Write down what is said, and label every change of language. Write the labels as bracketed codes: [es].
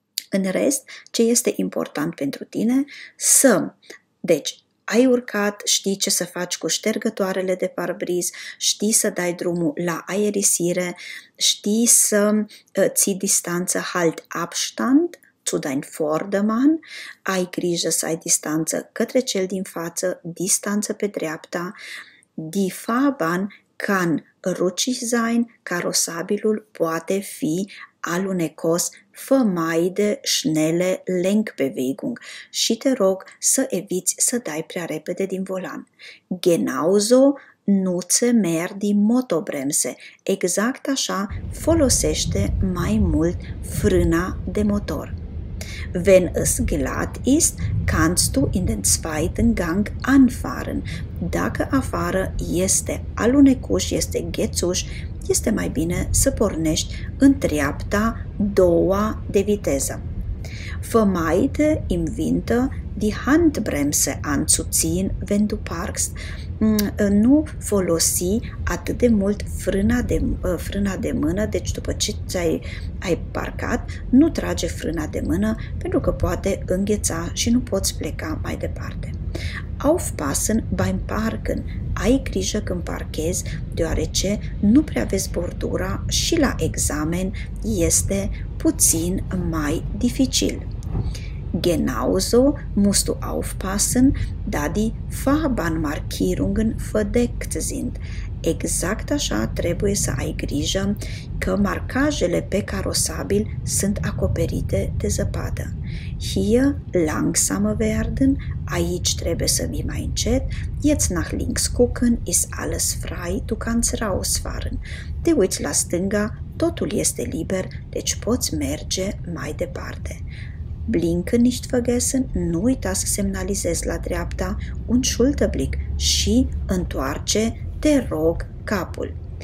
[ro] În rest, ce este important pentru tine? Să, deci, ai urcat, știi ce să faci cu ștergătoarele de parbriz, știi să dai drumul la aerisire, știi să ții distanță, [de] halt Abstand zu dein Vordermann, [ro] ai grijă să ai distanță către cel din față, distanță pe dreapta, [de] die Fahrbahn kann rutschig sein, [ro] carosabilul poate fi alunecos, [de] vermeide schnelle Lenkbewegung [ro] și te rog să eviți să dai prea repede din volan. [de] Genauso nutze mehr die Motobremse. [ro] Exact așa folosește mai mult frâna de motor. [de] Wenn es glatt ist, kannst du in den zweiten Gang anfahren. [ro] Dacă afară este alunecuș, este ghețuș, este mai bine să pornești în treapta doua de viteză. [de] Vermeide im Winter die Handbremse anzuziehen, wenn du parkst. [ro] Nu folosi atât de mult frâna de mână, deci după ce ai parcat, nu trage frâna de mână, pentru că poate îngheța și nu poți pleca mai departe. [de] Aufpassen beim Parken. [ro] Ai grijă când parchezi, deoarece nu prea vezi bordura și la examen este puțin mai dificil. [de] genauso musst du aufpassen, da die Fahrbahnmarkierungen verdeckt sind. [ro] Exact așa trebuie să ai grijă că marcajele pe carosabil sunt acoperite de zăpadă. [de] Hier langsamer werden, [ro] aici trebuie să vii mai încet, [de] jetzt nach links gucken, ist alles frei, du kannst rausfahren. [ro] Te uiți la stânga, totul este liber, deci poți merge mai departe. [de] Blinken nicht vergessen, [ro] nu uita să semnalizezi la dreapta, un Schulterblick și întoarce, te rog, capul.